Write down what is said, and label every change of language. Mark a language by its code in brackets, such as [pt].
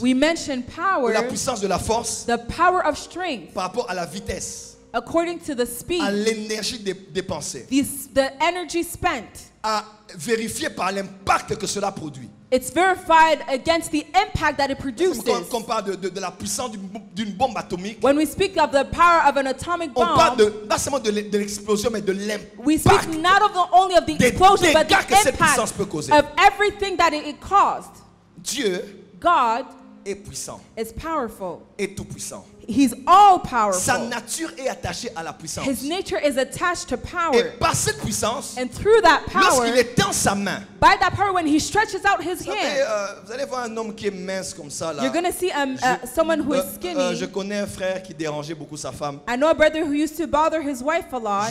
[en] we mention power, [fr] la puissance de la force, [en] the power of strength, [fr] par rapport à la vitesse, [en] according to the speed, [fr] à l'énergie dépensée, [en] the energy spent, [fr] à vérifier par l'impact que cela produit. [en] It's verified against the impact that it produces. [fr] Quand on parle de la puissance d'une bombe atomique, [en] when we speak of the power of an atomic bomb, [fr] on parle de, pas seulement de l'explosion, mais de l'impact. [en] We speak not of only of the explosion, but the [fr] que cette puissance peut causer. [en] Of everything that it caused. [fr] Dieu [en] God [fr] est puissant. [en] Is powerful. [fr] Est tout puissant. [en] He's all powerful. [fr] Sa nature est attachée à la puissance. [en] His nature is attached to power. [fr] Et par cette puissance, [en] and through that power, [fr] lorsqu'il étend sa main, [en] by that power when he stretches out his hand, [fr] vous allez voir un homme qui est mince comme ça là. [en] You're gonna see someone who is skinny. [fr] Je connais un frère qui dérangeait beaucoup sa femme. [en] I know a brother who used to bother his wife a lot.